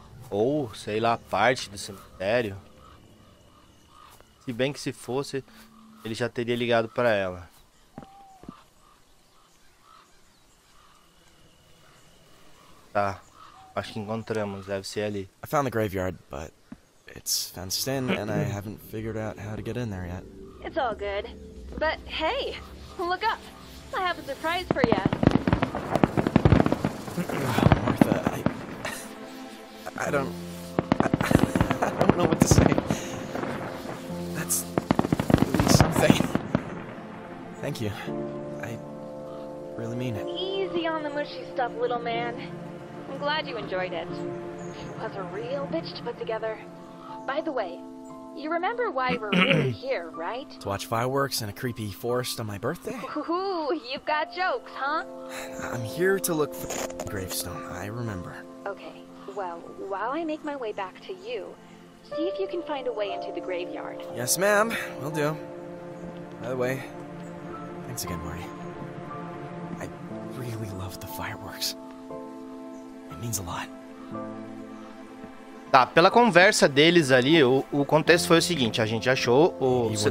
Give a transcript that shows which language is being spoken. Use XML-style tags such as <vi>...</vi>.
<pt>Ou, sei lá, parte do cemitério. Se bem que se fosse, ele já teria ligado pra ela. Tá. Acho que encontramos, deve ser ali.</pt> <en>I found the graveyard, but it's fenced in and I haven't figured out how to get in there yet. It's all good. But hey, look up. I have a surprise for you. Martha, I don't know what to say. That's really something. Thank you. I really mean it. Easy on the mushy stuff, little man. I'm glad you enjoyed it. It was a real bitch to put together. By the way, you remember why we're really here, right? To watch fireworks in a creepy forest on my birthday? Ooh, you've got jokes, huh? I'm here to look for the gravestone, I remember. Okay, well, while I make my way back to you, see if you can find a way into the graveyard. Yes, ma'am, will do. By the way, thanks again, Marty. I really love the fireworks. It means a lot.</en> <pt>Tá, pela conversa deles ali, o contexto foi o seguinte: a gente achou o.</pt>